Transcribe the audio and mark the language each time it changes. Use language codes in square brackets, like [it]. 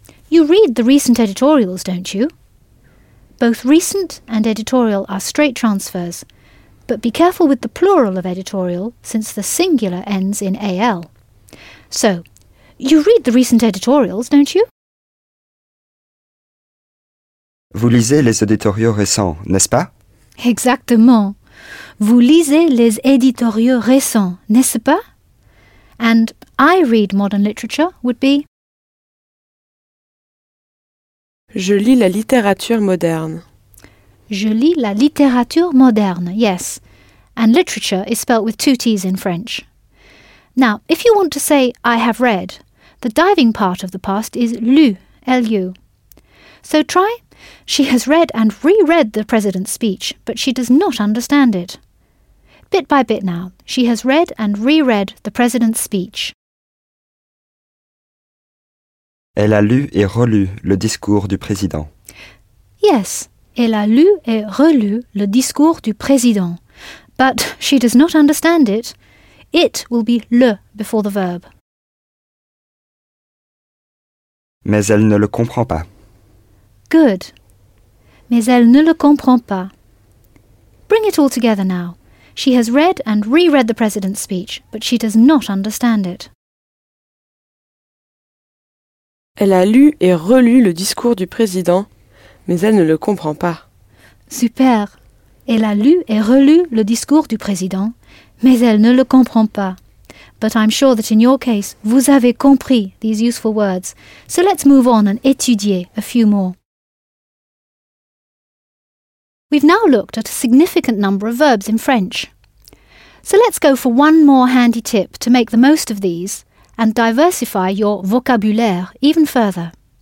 [en] You read the recent editorials, don't you? Both recent and editorial are straight transfers, but be careful with the plural of editorial, since the singular ends in al. So, you read the recent editorials, don't you? [fr] Vous lisez les éditoriaux récents, n'est-ce pas? Exactement. Vous lisez les éditoriaux récents, n'est-ce pas? [en] And I read modern literature would be... [fr] Je lis la littérature moderne. Je lis la littérature moderne, [en] yes. And literature is spelt with two T's in French. Now, if you want to say I have read, the diving part of the past is lu, L-U. So try, she has read and reread the president's speech, but she does not understand it. Bit by bit now, she has read and reread the president's speech. [fr] Elle a lu et relu le discours du président. [en] Yes, [fr] elle a lu et relu le discours du président. [en] But she does not understand it. It will be le before the verb. [fr] Mais elle ne le comprend pas. [en] Good. [fr] Mais elle ne le comprend pas. [en] Bring it all together now. She has read and reread the president's speech, but she does not understand it. [fr] Elle a lu et relu le discours du président, mais elle ne le comprend pas. Super. Elle a lu et relu le discours du président, mais elle ne le comprend pas. [en] But I'm sure that in your case, [fr] vous avez compris [en] these useful words. So let's move on and étudier a few more. We've now looked at a significant number of verbs in French. So let's go for one more handy tip to make the most of these and diversify your vocabulaire even further.